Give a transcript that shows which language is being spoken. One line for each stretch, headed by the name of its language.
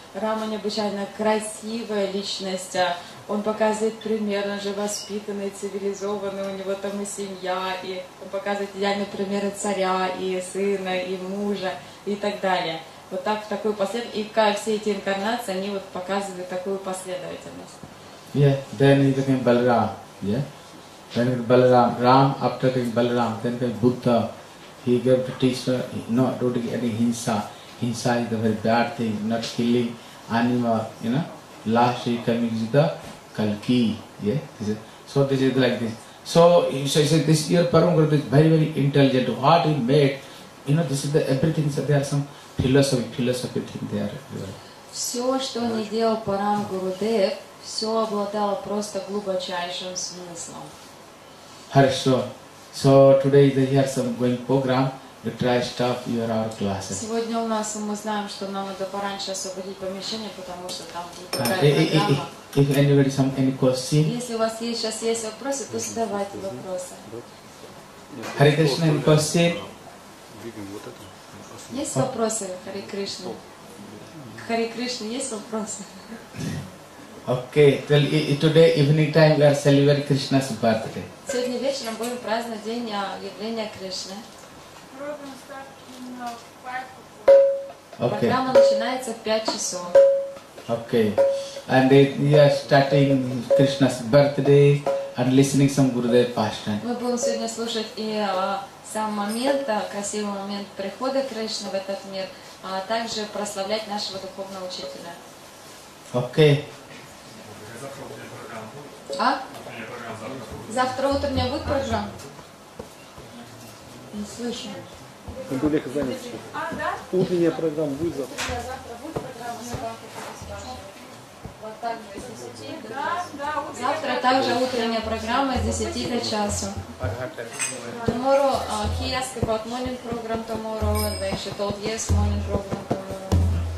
Russian: Рама необычайно красивая личность. Он показывает пример, он же воспитанный, цивилизованный, у него там и семья, и он показывает идеальные примеры царя, и сына, и мужа, и так далее. Вот так, в такой последовательность. И как все эти инкарнации, они вот показывают такую последовательность.
English: Yeah, then he became Balaram. Yeah? Then he became Balaram. Ram, after he became Balaram, then he became Buddha. He gave to teach, no, don't get any hinsa. Hinsa is a very bad thing, not killing anima, you know. Last he came to the Kalki, yeah? So this is like this. So you say, this year Param Guru is very, very intelligent. What he made, you know, this is the everything, so there are some philosophy thing there.
Russian: Все, что не делал Param Guru Dev, все обладало просто глубочайшим смыслом. Хорошо.
English: So today they have some going program. We try stop your hour classes.
Russian: Сегодня у нас мы знаем, что нам надо пораньше освободить помещение, потому что там будет программа.
English: If anybody some any question.
Russian: Если у вас есть сейчас есть вопросы, то задавайте вопросы.
English: Hare Krishna, any question?
Russian: Есть вопросы, Hare Krishna. Hare Krishna, есть вопросы?
English: Okay, well, today evening time we are celebrating Krishna's birthday.
Russian: Сегодня вечером будем праздновать день явления Кришны.
English: Okay.
Russian: Программа начинается в 5 часов.
English: Okay. And we are starting Krishna's birthday and listening some Gurudev pastime.
Russian: Мы будем сегодня слушать и сам момент, красивый момент прихода Кришны в этот мир, а также прославлять нашего духовного учителя.
English: Okay.
Russian: А? Завтра утренняя будет программа? Не слышу. Гулеха занят. А, да? Утренняя программа будет завтра. Утренняя завтра будет программа, на банке спрашивают. Вот так же с 10 до часа. Да, да, завтра также утренняя программа с 10 до часа.
English: Tomorrow, he asked about morning program tomorrow, and then she told yes, morning program tomorrow.